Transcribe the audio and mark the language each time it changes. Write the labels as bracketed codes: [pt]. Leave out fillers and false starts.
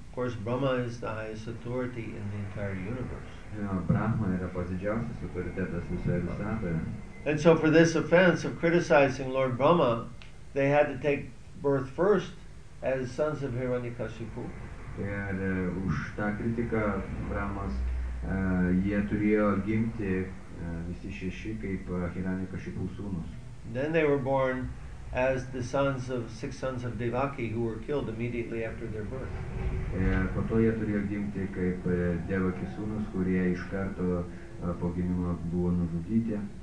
[en] Of course, Brahma is the highest authority in the entire universe. [lt] Brahma yra pats didžiausias autoritetas visoje visatoje. [en] And so for this offense of criticizing Lord Brahma, they had to take birth first as sons of Hiranyakashipu. [lt] Ir už tą kritiką Brahmas, jie turėjo gimti visi šeši kaip Hiranyakashipu sūnus. [en] Then they were born as the sons of six sons of Devaki who were killed immediately after their birth. [lt] Po to jie turėjo gimti kaip Devaki sūnus, kurie iš karto po gimimo buvo nužudyti.